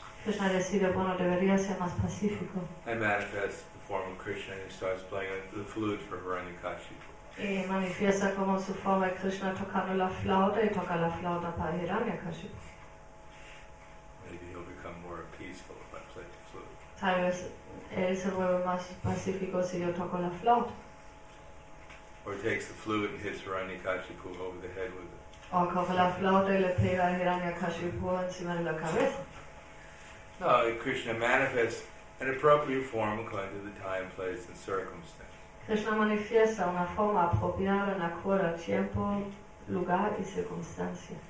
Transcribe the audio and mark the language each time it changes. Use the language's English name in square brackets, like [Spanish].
[Spanish] Krishna decide, bueno, debería ser más pacífico. [English] And manifests the form of Krishna and starts playing the flute for Hiranyakashipu. [Spanish] Y manifiesta como su forma de Krishna tocando la flauta y toca la flauta para Hiranyakashipu. [English] Maybe he'll become more peaceful if I play the flute. [Spanish] Tal vez él se vuelve más pacífico si yo toco la flauta. [English] Or takes the flute and hits Hiranyakashipu over the head with it. [Spanish] O coge la flauta y le pega a Hiranyakashipu encima de la cabeza. [English] No, Krishna manifests an appropriate form according to the time, place, and circumstance. [Spanish] Krishna manifiesta una forma [Italian] appropriata in accordo al tempo, [Spanish] lugar [Italian] e circostanze.